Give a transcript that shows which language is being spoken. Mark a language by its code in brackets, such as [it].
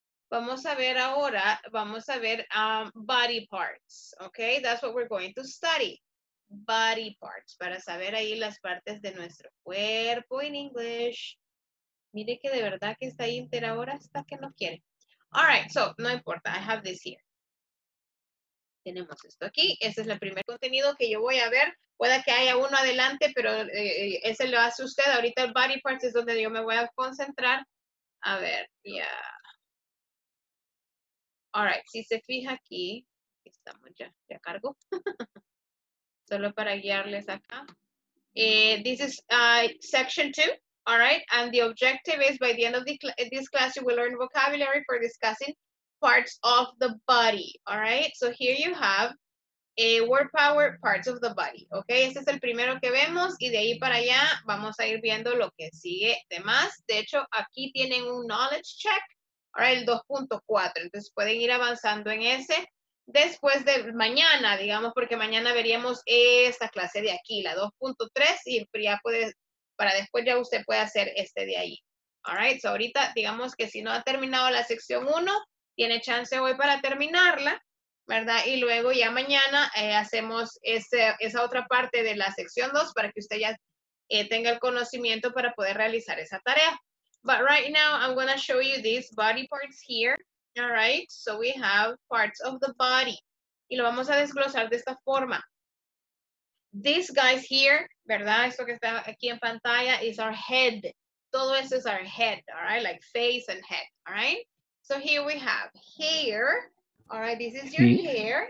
[es] Vamos a ver ahora, vamos a ver body parts, ¿ok? [en] That's what we're going to study. [es] Body parts, para saber ahí las partes de nuestro cuerpo en English. Mire que de verdad que está ahí entera ahora hasta que no quiere. [en] All right, so, [es] no importa, [en] I have this here. [es] Tenemos esto aquí, ese es el primer contenido que yo voy a ver. Puede que haya uno adelante, pero ese lo hace usted. Ahorita el body parts es donde yo me voy a concentrar. A ver, ya. Yeah. All right, si se fija aquí, estamos ya, ya cargo. Solo para guiarles acá. [en] This is section two, all right? And the objective is by the end of this class, you will learn vocabulary for discussing parts of the body, all right? So here you have a word power, parts of the body, okay? [es] Este es el primero que vemos y de ahí para allá vamos a ir viendo lo que sigue de más. De hecho, aquí tienen un knowledge check, all right, el 2.4. Entonces pueden ir avanzando en ese. Después de mañana, digamos, porque mañana veríamos esta clase de aquí, la 2.3, y ya puede, para después ya usted puede hacer este de ahí. All right, so ahorita, digamos que si no ha terminado la sección 1, tiene chance hoy para terminarla, ¿verdad? Y luego ya mañana hacemos esa otra parte de la sección 2 para que usted ya tenga el conocimiento para poder realizar esa tarea. [en] But right now, I'm going to show you these body parts here. All right, so we have parts of the body. [es] Y lo vamos a desglosar de esta forma. [en] These guys here, [es] ¿verdad? Esto que está aquí en pantalla [en] is our head. [es] Todo eso es [en] our head, all right? Like face and head, all right? So here we have hair. All right, this is your hair.